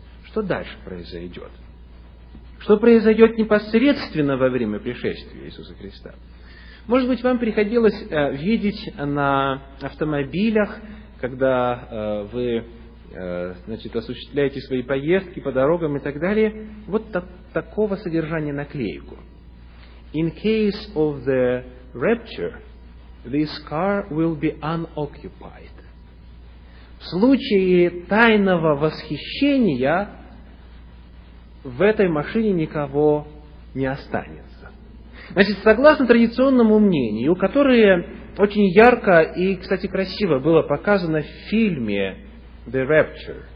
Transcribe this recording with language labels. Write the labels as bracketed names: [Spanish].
[Russian] Что дальше произойдет? Что произойдет непосредственно во время пришествия Иисуса Христа? Может быть, вам приходилось видеть на автомобилях, когда вы значит, осуществляете свои поездки по дорогам и так далее. Вот такого содержания наклейку. [English] In case of the rapture, this car will be unoccupied. [Russian] В случае тайного восхищения в этой машине никого не останется. Значит, согласно традиционному мнению, которое очень ярко и, кстати, красиво было показано в фильме «The Rapture».